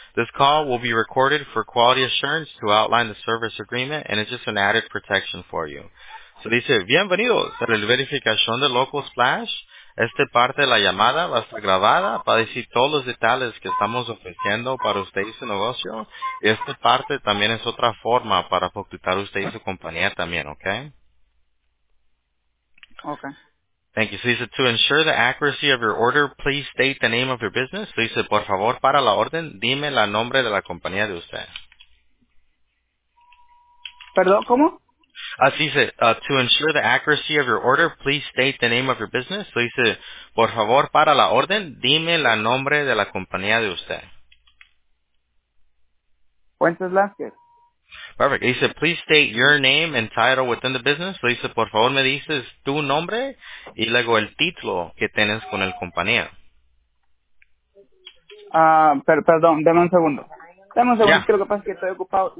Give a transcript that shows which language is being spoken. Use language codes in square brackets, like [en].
[en] This call will be recorded for quality assurance to outline the service agreement, and it's just an added protection for you. [es] So dice, bienvenidos a la verificación de Local Splash. Esta parte de la llamada va a estar grabada para decir todos los detalles que estamos ofreciendo para usted y su negocio. Y esta parte también es otra forma para facturar usted y su compañía también, okay? Okay. [en] Thank you. So he said, to ensure the accuracy of your order, please state the name of your business. So he said, [es] por favor, para la orden, dime la nombre de la compañía de usted. Perdón, ¿cómo? Así dice, [en] to ensure the accuracy of your order, please state the name of your business. So he said, [es] por favor, para la orden, dime la nombre de la compañía de usted. Fuentes Lasker. [en] Perfect. He said, please state your name and title within the business. So he said, [es] por favor, me dices tu nombre y luego el título que tienes con el compañía. Perdón, dame un segundo. Dame un segundo, creo que pasa que estoy ocupado.